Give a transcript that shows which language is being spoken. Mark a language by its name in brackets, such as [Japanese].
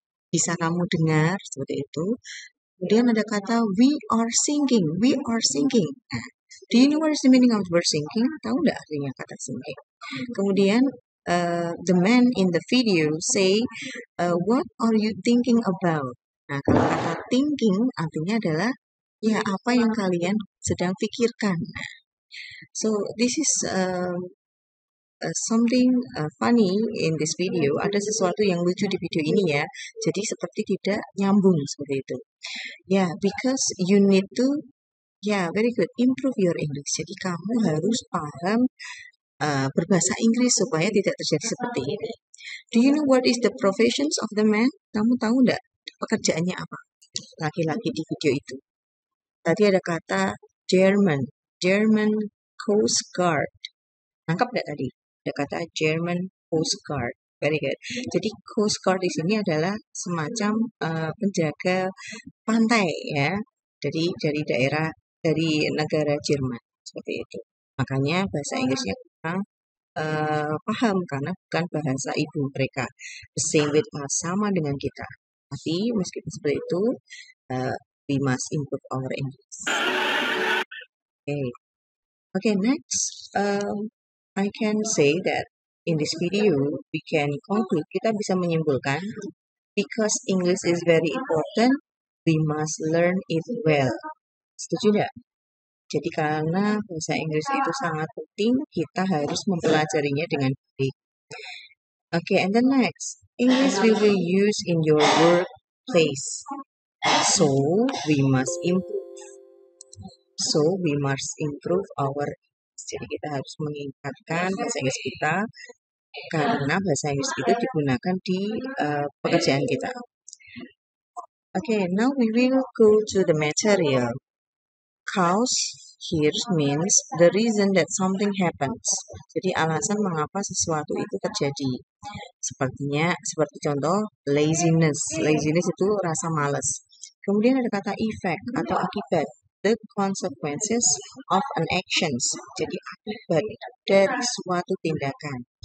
[Indonesian] Bisa kamu dengar, seperti itu. Kemudian ada kata, [English] we are sinking. Nah, do you know what is the meaning of the word sinking? [Indonesian] Tahu nggak artinya kata sinking? Kemudian, [English] the man in the video say, what are you thinking about? [Indonesian] Nah, kalau kata thinking artinya adalah, ya, apa yang kalian sedang pikirkan. [English] So, this is something funny in this video, [Indonesian] ada sesuatu yang lucu di video ini ya, jadi seperti tidak nyambung seperti itu. [English] Yeah, because you need to, yeah, very good, improve your English. [Indonesian] Jadi kamu harus paham berbahasa Inggris supaya tidak terjadi seperti ini. [English] Do you know what is the professions of the man? [Indonesian] Kamu tahu enggak pekerjaannya apa? Laki-laki di video itu. Tadi ada kata German Coast Guard. Nangkap enggak tadi? Ada kata German Coast Guard. [English] Very good. [Indonesian] Jadi Coast Guard di sini adalah semacam penjaga pantai ya. Jadi dari daerah, dari negara Jerman. Seperti itu. Makanya bahasa Inggrisnya kurang paham karena bukan bahasa ibu mereka. [English] The same with us, [Indonesian] sama dengan kita. Tapi meskipun seperti itu, [English] we must improve our English. Okay, next. I can say that in this video, we can conclude, [Indonesian] kita bisa menyimpulkan, [English] because English is very important, we must learn it well. [Indonesian] Setuju tidak? Jadi karena bahasa Inggris itu sangat penting, kita harus mempelajarinya dengan baik. [English] Okay, and then next, English will be used in your workplace. So, we must improve. So, we must improve our English. [Indonesian] Jadi kita harus meningkatkan bahasa Inggris kita karena bahasa Inggris itu digunakan di pekerjaan kita. [English] Okay, now we will go to the material. Cause here means the reason that something happens. [Indonesian] Jadi alasan mengapa sesuatu itu terjadi. Sepertinya, seperti contoh, laziness. Laziness itu rasa malas. Kemudian ada kata effect atau akibat. [English] the consequences of an actions. [Indonesian] Jadi akibat dari suatu tindakan.